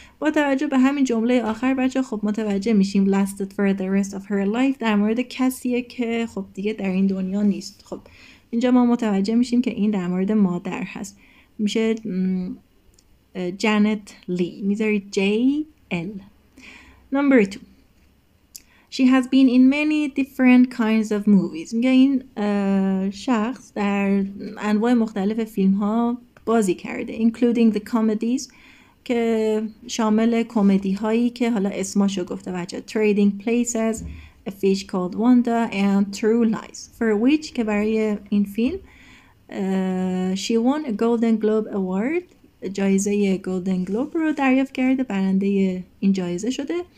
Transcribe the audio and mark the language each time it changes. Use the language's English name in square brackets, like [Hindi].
[Persian] با توجه به همین جمله آخر بچه خب متوجه میشیم [English] lasted for the rest of her life [Persian] در مورد کسیه که خب دیگه در این دنیا نیست. خب اینجا ما متوجه میشیم که این در مورد مادر هست، میشه جنت لی، میذارید JL. [English] Number 2 She has been in many different kinds of movies. [Persian] میگه این شخص در انواع مختلف فیلم ها بازی کرده [English] including the comedies [Persian] که شامل کمدی هایی که حالا اسماشو گفته بچه Trading Places, A Fish Called Wanda and True Lies [English] for which [Persian] که برای این فیلم [English] she won a Golden Globe Award، [Persian] جایزه Golden Globe رو دریافت کرده، برنده این جایزه شده.